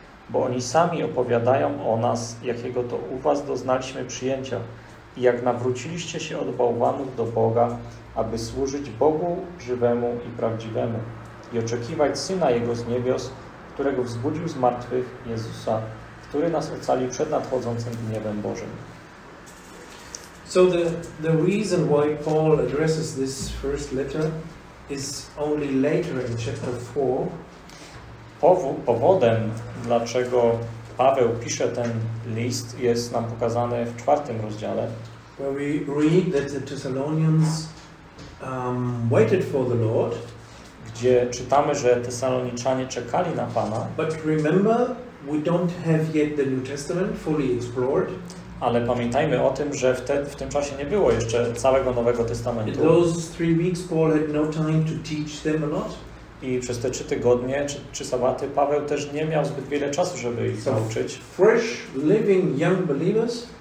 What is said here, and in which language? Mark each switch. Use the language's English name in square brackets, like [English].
[Polish] Bo oni sami opowiadają o nas, jakiego to u was doznaliśmy przyjęcia i jak nawróciliście się od bałwanów do Boga, aby służyć Bogu żywemu i prawdziwemu i oczekiwać Syna Jego z niebios, którego wzbudził z martwych Jezusa, który nas ocalił przed nadchodzącym gniewem Bożym. [English] So the reason why Paul addresses this first letter is only later in chapter 4. [Polish] Powodem, dlaczego Paweł pisze ten list, jest nam pokazany w czwartym rozdziale. [English] Where we read that the Thessalonians waited for the Lord. [Polish] Gdzie czytamy, że Tesaloniczanie czekali na Pana. [English] But remember, we don't have yet the New Testament fully explored. [Polish] Ale pamiętajmy o tym, że wtedy, w tym czasie nie było jeszcze całego Nowego Testamentu. [English] In those three weeks, Paul had no time to teach them a lot. [Polish] I przez te trzy tygodnie, czy sabaty, Paweł też nie miał zbyt wiele czasu, żeby ich nauczyć. [English] Fresh, living, young believers.